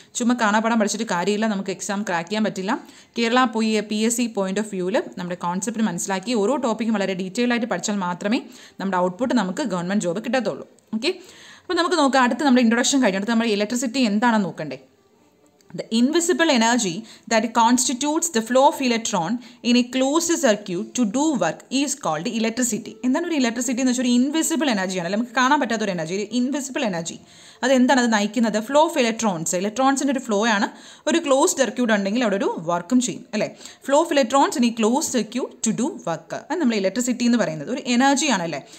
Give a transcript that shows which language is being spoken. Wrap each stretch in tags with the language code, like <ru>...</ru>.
<ml>ചുമ്മാ കാണാപ്പാടം പഠിച്ചിട്ട് കാര്യമില്ല, നമുക്ക് എക്സാം ക്രാക്ക് ചെയ്യാൻ പറ്റില്ല. കേരള പോയി PSC പോയിൻ്റ് ഓഫ് വ്യൂവിൽ നമ്മുടെ കോൺസെപ്റ്റ് മനസ്സിലാക്കി ഓരോ ടോപ്പിക്കും വളരെ ഡീറ്റെയിൽ ആയിട്ട് പഠിച്ചാൽ മാത്രമേ നമ്മുടെ ഔട്ട്പുട്ട് നമുക്ക് ഗവൺമെൻറ് ജോബ് കിട്ടത്തുള്ളൂ. ഓക്കെ, അപ്പോൾ നമുക്ക് നോക്കാം. അടുത്ത് നമ്മുടെ ഇൻട്രൊഡക്ഷൻ കഴിഞ്ഞു, അടുത്ത് നമ്മൾ ഇലക്ട്രിസിറ്റി എന്താണെന്ന് നോക്കണ്ടേ.</ml> <en>The invisible energy that constitutes the flow of electron in a closed circuit to do work is called electricity.</en> <ml>എന്താണ് ഒരു ഇലക്ട്രിസിറ്റി എന്ന് വെച്ചാൽ ഒരു ഇൻവിസിബിൾ എനർജിയാണ്, അല്ലെങ്കിൽ നമുക്ക് കാണാൻ പറ്റാത്ത ഒരു എനർജി, ഒരു ഇൻവിസിബിൾ എനർജി. അതെന്താണ് അത് നയിക്കുന്നത്? ഫ്ലോ ഓഫ് ഇലക്ട്രോൺസ്, ഇലക്ട്രോൺസിൻ്റെ ഒരു ഫ്ലോ ആണ്. ഒരു ക്ലോസ് സർക്യൂട്ട് ഉണ്ടെങ്കിൽ അവിടെ ഒരു വർക്കും ചെയ്യും, അല്ലേ?</ml> <en>flow of electrons in close circuit to do work,</en> <ml>അത് നമ്മൾ ഇലക്ട്രിസിറ്റി എന്ന് പറയുന്നത്. ഒരു എനർജിയാണ്, അല്ലേ?</ml>